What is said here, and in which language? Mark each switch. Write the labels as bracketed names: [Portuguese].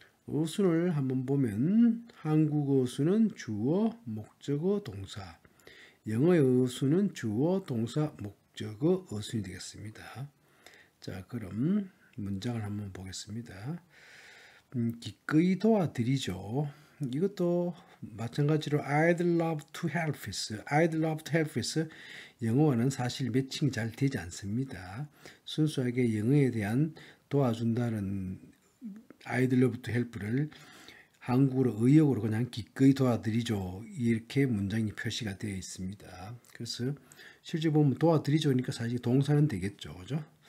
[Korean] 어순을 한번 보면 한국어 어순은 주어, 목적어, 동사, 영어의 어순은 주어, 동사, 목적어, 어순이 되겠습니다. 자, 그럼 문장을 한번 보겠습니다. 기꺼이 도와드리죠. 이것도 마찬가지로 [English] I'd love to help is. I'd love to help is. [Korean] 영어와는 사실 매칭이 잘 되지 않습니다. 순수하게 영어에 대한 도와준다는 [English] I'd love to help [Korean] 를 한국어로 의역으로 그냥 기꺼이 도와드리죠. 이렇게 문장이 표시가 되어 있습니다. 그래서 실제 보면 도와드리죠니까 사실 동사는 되겠죠. 그죠?